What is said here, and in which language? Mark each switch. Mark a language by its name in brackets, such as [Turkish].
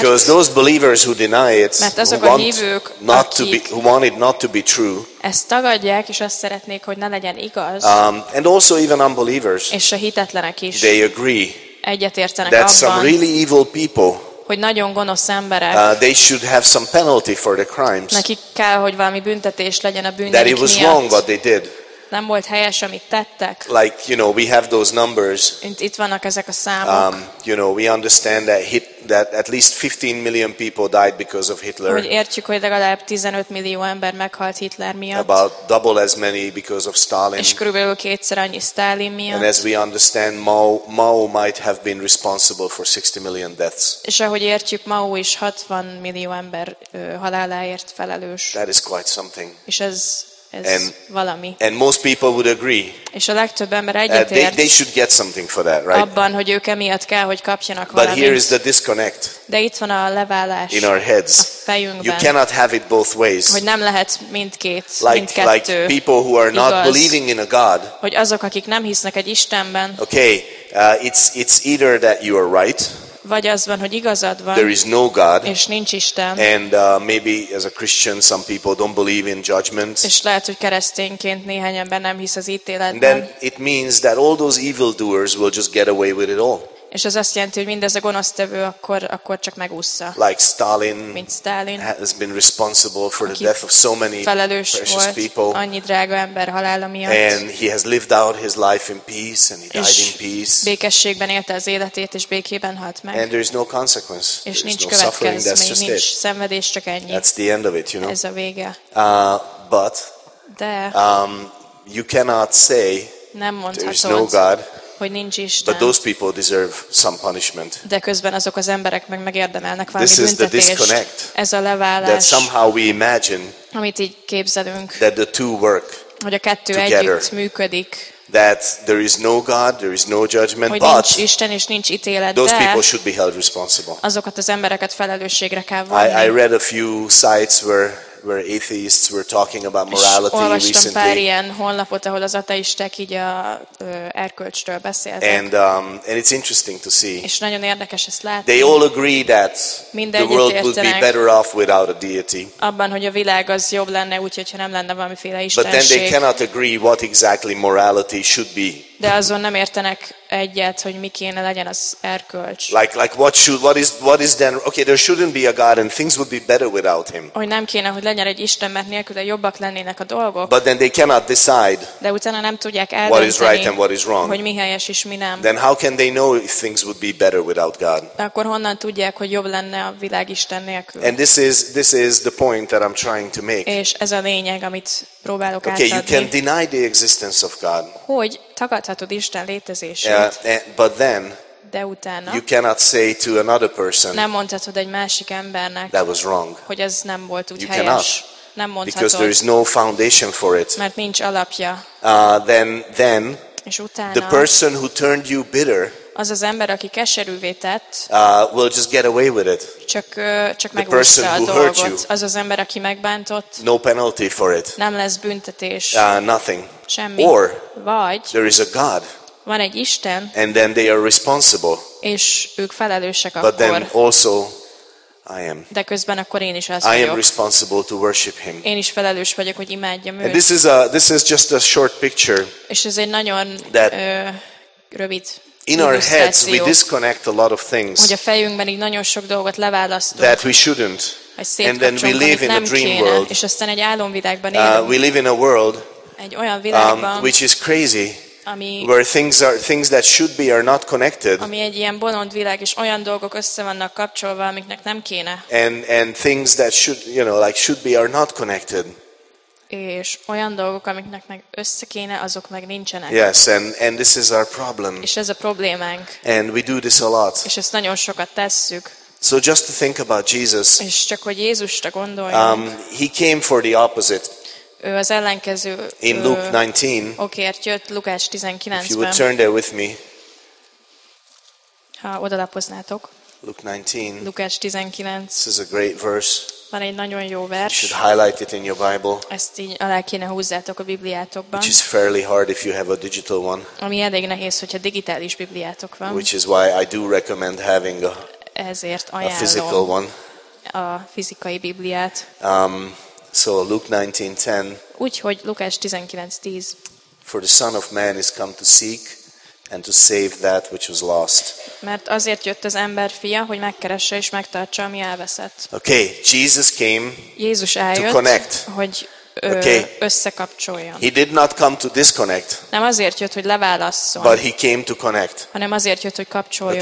[English] Because those believers who deny it, [Hungarian] mert azok a hívők, [English] who want it not to be true. [Hungarian] Ezt tagadják, és azt szeretnék, hogy ne legyen igaz. [English] And also even unbelievers. [Hungarian] És a hitetlenek is. [English] They agree. [Hungarian] Egyetértenek [English] that [Hungarian] abban. [English] Some really evil people. [Hungarian] Hogy nagyon gonosz emberek. [English] They should have some penalty for the crimes. [Hungarian] Nekik kell, hogy valami büntetés legyen a bűneik miatt. [English] That it was wrong what they did. [Hungarian] Nem volt helyes, amit tettek. [English] Like, you know, we have those numbers. [Hungarian] Itt vannak ezek a számok. [English] You know, we understand that that at least 15 million people died because of Hitler. [Hungarian] Hogy értjük, hogy legalább 15 millió ember meghalt Hitler miatt. [English] About double as many because of Stalin. [Hungarian] És körülbelül kétszer annyi Stalin miatt. [English] And as we understand, Mao might have been responsible for 60 million deaths. [Hungarian] És ahogy értjük, Mao is 60 millió ember haláláért felelős. [English] That is quite something. [Hungarian] És ez valami. [English] And most people would agree. [Hungarian] És a legtöbb ember egyetért. [English] They should get something for that, right? [Hungarian] Abban, hogy ők emiatt kell, hogy kapjanak valamit. [English] But here is the disconnect. [Hungarian] De itt van a leválás. [English] In our heads. [Hungarian] A fejünkben. [English] You cannot have it both ways. [Hungarian] Hogy nem lehet mindkét, mindkettő. [English] Like people who are not believing in a God. [Hungarian] Hogy azok, akik nem hisznek egy Istenben. [English] Okay, it's either that you are right. [Hungarian] Vagy az van, hogy igazad van. [English] There is no God. [Hungarian] És nincs Isten. [English] And maybe as a Christian some people don't believe in judgment. [Hungarian] És lehet, hogy keresztényként néhány ember nem hisz az ítéletben. [English] And then it means that all those evil doers will just get away with it all. [Hungarian] És az azt jelenti, hogy mindez a gonosztevő akkor csak megúszza. [English] Like Stalin. [Hungarian] Mint Stalin. [English] Has been responsible for the death of so many [Hungarian] felelős [English] precious people. [Hungarian] Annyi drága ember halála miatt. [English] And he has lived out his life in peace and he died in peace. [Hungarian] Békességben élte az életét és békében halt meg. [English] And there is no consequence. [Hungarian] És nincs következmény, nincs szenvedés, csak ennyi. [English] That's the end of it, you know. [Hungarian] Ez a vége. [English] But [Hungarian] de [English] you cannot say there is no God. [Hungarian] Hogy nincs Isten. [English] But those people deserve some punishment. [Hungarian] De közben azok az emberek meg megérdemelnek valami büntetést. [English] This is the disconnect. [Hungarian] Ez a leválás. [English] That somehow we imagine. [Hungarian] Amit így képzelünk. [English] That the two work. [Hungarian] Hogy a kettő [English] together. [Hungarian] Együtt működik. [English] That there is no God, there is no judgment, [Hungarian] hogy nincs Isten és nincs ítélet, [English] those people should be held responsible. [Hungarian] Azokat az embereket felelősségre kell vonni. [English] I read a few sites where atheists were talking about morality recently. [Hungarian] És olvastam pár ilyen honlapot, ahol az ateisták így a erkölcsről beszéltek. [English] And it's interesting to see. [Hungarian] És nagyon érdekes ezt látni. [English] They all agree that the world would be better off without a deity. [Hungarian] Abban, hogy a világ az jobb lenne, úgyhogy ha nem lenne valamiféle istenség. [English] But then they cannot agree what exactly morality should be. [Hungarian] De azon nem értenek egyet, hogy mi kéne legyen az erkölcs. [English] Like what is then? Okay, there shouldn't be a God and things would be better without him. [Hungarian] Hogy nem kéne, hogy legyen egy Isten, mert nélküle jobbak lennének a dolgok. [English] But then they cannot decide. [Hungarian] De utána nem tudják eldönteni. [English] What is right and what is wrong? [Hungarian] Hogy mi helyes és mi nem. [English] Then how can they know if things would be better without God? [Hungarian] Akkor honnan tudják, hogy jobb lenne a világ Isten nélkül? [English] And this is the point that I'm trying to make. [Hungarian] És ez a lényeg, amit próbálok átadni. [English] Okay, you can deny the existence of God. [Hungarian] Hogy tagadhatod Isten létezését. [English] But then, [Hungarian] de utána, [English] you cannot say to another person, [Hungarian] nem mondhatod egy másik embernek, [English] that was wrong. [Hungarian] Hogy ez nem volt úgy [English] you [Hungarian] helyes. [English] Cannot, [Hungarian] nem mondhatod. [English] Because there is no foundation for it. [Hungarian] Mert nincs alapja. [English] Then, [Hungarian] és utána, [English] the person who turned you bitter, [Hungarian] az az ember, aki keserűvé tett, [English] will just get away with it. [Hungarian] Csak megúszta a dolgot. [English] You, [Hungarian] az az ember, aki megbántott, [English] no penalty for it. [Hungarian] Nem lesz büntetés. [English] Nothing. [Hungarian] Semmi. [English] Or [Hungarian] vagy [English] there is a God, [Hungarian] van egy Isten, [English] and then they are responsible. [Hungarian] És ők felelősek akkor. [English] But then also I am. [Hungarian] De közben akkor én is az [English] I am responsible to worship him. [Hungarian] Én is felelős vagyok, hogy imádjam őt. [English] And this is just a short picture. [Hungarian] És ez egy nagyon that, rövid. [English] In our heads we disconnect a lot of things. [Hungarian] Hogy a fejünkben így nagyon sok dolgot leválasztunk. [English] That we shouldn't. And then we live in a dream [Hungarian] kéne, [English] world. [Hungarian] És aztán egy álomvilágban élünk. [English] We live in a world which is crazy, where things that should be are not connected. [Hungarian] Ami egy ilyen bolond világ, és olyan dolgok össze vannak kapcsolva, amiknek nem kéne. [English] And things that should, you know, like should be are not connected. [Hungarian] És olyan dolgok, amiknek meg össze kéne, azok meg nincsenek. [English] Yes, and this is our problem. [Hungarian] És ez a problémánk. [English] And we do this a lot. [Hungarian] És ezt nagyon sokat tesszük. [English] So just to think about Jesus. [Hungarian] És csak hogy Jézusra gondolj. [English] He came for the opposite. [Hungarian] Ő az ellenkező. [English] In Luke 19. [Hungarian] Okért jött Lukács 19-ben. [English] If you would turn there with me. [Hungarian] Ha odalapoznátok. [English] Luke 19. [Hungarian] Lukács 19. [English] This is a great verse. [Hungarian] Van egy nagyon jó vers. [English] You should highlight it in your Bible. [Hungarian] Ezt így alá kéne húzzátok a Bibliátokban. [English] Which is fairly hard if you have a digital one. [Hungarian] Ami elég nehéz, hogyha digitális Bibliátok van. [English] Which is why I do recommend having a, [Hungarian] ezért ajánlom [English] a physical one. [Hungarian] A fizikai Bibliát. [English] So Luke 19:10. [Hungarian] Úgyhogy Lukács 19:10. [English] For the Son of Man is come to seek and to save that which was lost. [Hungarian] Mert azért jött az ember fia, hogy megkeresse és megtartsa, ami elveszett. [English] Okay, Jesus came [Hungarian] Jézus eljött, [English] to connect. [Hungarian] Hogy okay. összekapcsoljon. [English] He did not come to disconnect. [Hungarian] Nem azért jött, hogy leválasszon. [English] But he came to connect. [Hungarian] Hanem azért jött, hogy kapcsoljon.